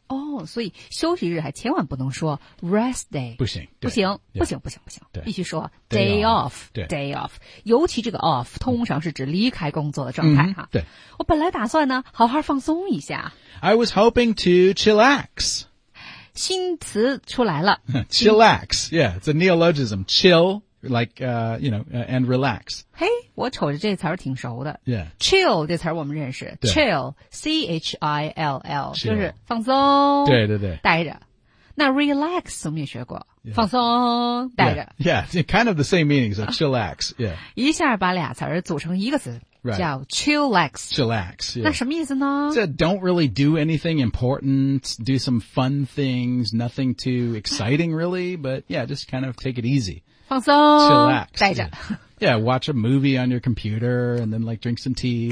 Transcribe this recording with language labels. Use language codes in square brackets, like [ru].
[zh] 哦、oh, ，所以休息日还千万不能说 [en] rest day. [zh] 不行。不行。 [en] Yeah. [zh] 不行不行不行对必须说 [en] day off, day off, [zh] 尤其这个 off 通常是指离开工作的状态、 mm-hmm, 哈对我本来打算呢好好放松一下 [en] I was hoping to chillax [zh] 新词出来了 [en] chillax, yeah, it's a neologism, chill, like, you know, and relax [zh] 嘿、hey, 我瞅着这词儿挺熟的、 [en] yeah. [zh] chill 这词儿我们认识 chill, C-H-I-L-L, [en] chill. [zh] 就是放松对对对待着那 relax 我们也学过、yeah. 放松待着 [en] yeah, yeah, kind of the same meaning, so chillax, yeah. [zh] 一下把俩词组成一个词、 [en] right. [zh] 叫 chillax. [en] Chillax, yeah. [zh] 那什么意思呢 [en] So don't really do anything important, do some fun things, nothing too exciting really, but yeah, just kind of take it easy. [zh] 放松 [en] chillax, [zh] 待着 [en] yeah. yeah, watch a movie on your computer and then like drink some tea.